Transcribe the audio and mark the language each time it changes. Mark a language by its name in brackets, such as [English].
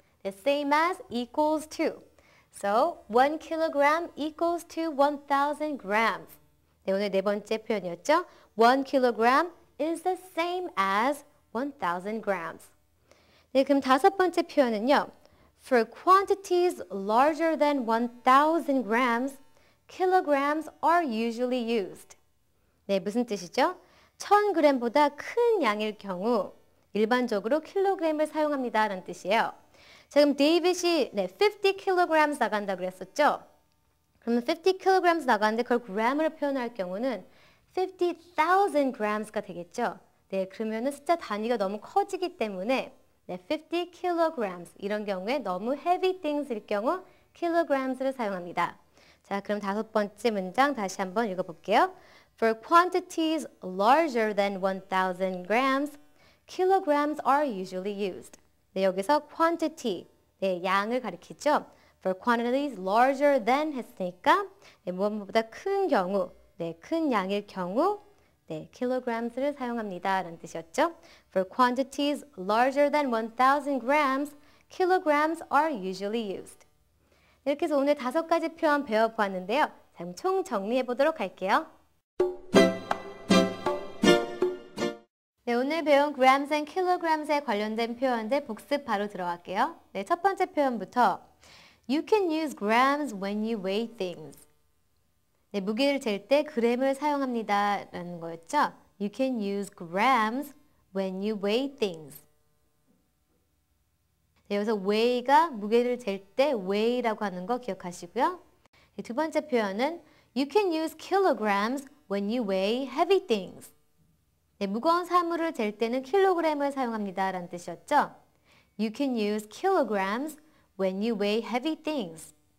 [English] The same as equals to. So, 1 kilogram equals to 1,000 grams. [Korean] 네, 오늘 네 번째 표현이었죠? [English] 1 kilogram is the same as 1,000 grams. [Korean] 네, 그럼 다섯 번째 표현은요. [English] For quantities larger than 1,000 grams, kilograms are usually used. [Korean] 네, 무슨 뜻이죠? 1,000g보다 큰 양일 경우 일반적으로 킬로그램을 사용합니다 라는 뜻이에요. 자, 그럼 데이빗이 네, 50kg 나간다 그랬었죠? 그러면 50kg 나가는데 그걸 gram으로 표현할 경우는 50,000g가 되겠죠? 네, 그러면은 숫자 단위가 너무 커지기 때문에 네, 50kg 이런 경우에 너무 heavy things일 경우 kilograms를 사용합니다. 자, 그럼 다섯 번째 문장 다시 한번 읽어볼게요. [English] For quantities larger than 1,000 grams, kilograms are usually used. [Korean] 네, 여기서 quantity, 네, 양을 가리키죠. [English] For quantities larger than [Korean] 했으니까 네, 무엇보다 큰 경우, 네, 큰 양일 경우 네, kilograms를 사용합니다 라는 뜻이었죠. [English] For quantities larger than 1,000 grams, kilograms are usually used. [Korean] 네, 이렇게 해서 오늘 다섯 가지 표현 배워보았는데요. 자, 그럼 총 정리해 보도록 할게요. 네, 오늘 배운 grams and kilograms에 관련된 표현들 복습 바로 들어갈게요. 네, 첫 번째 표현부터 [English] You can use grams when you weigh things. [Korean] 네, 무게를 잴 때 그램을 사용합니다 라는 거였죠. [English] You can use grams when you weigh things. [Korean] 네, 여기서 weigh가 무게를 잴 때 weigh라고 하는 거 기억하시고요. 네, 두 번째 표현은 [English] You can use kilograms when you weigh heavy things. [Korean] 네, 무거운 사물을 잴 때는 킬로그램을 사용합니다 라는 뜻이었죠. [English] You can use kilograms when you weigh heavy things.